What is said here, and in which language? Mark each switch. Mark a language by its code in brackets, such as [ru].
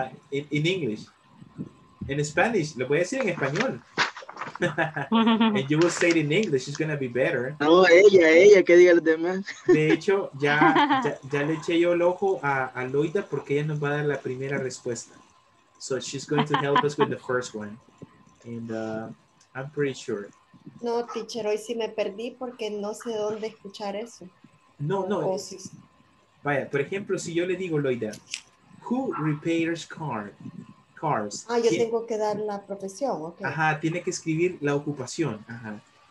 [en] In English. In Spanish. [es] Lo voy a decir en español. [en] And you will say it in English. It's going to be better. [es] No, ella, que diga a los demás. De hecho, ya le eché yo el ojo a Loida porque ella nos va a dar la primera respuesta. [en] So she's going to help us with the first one. And I'm pretty sure. [es] No, teacher, hoy sí me perdí porque no sé dónde escuchar eso. No. Vaya, por ejemplo, si yo le digo, Loida, [en] who repairs cars? [es] Ah, yo tengo que dar la profesión, ok. Ajá, tiene que escribir la ocupación, ajá.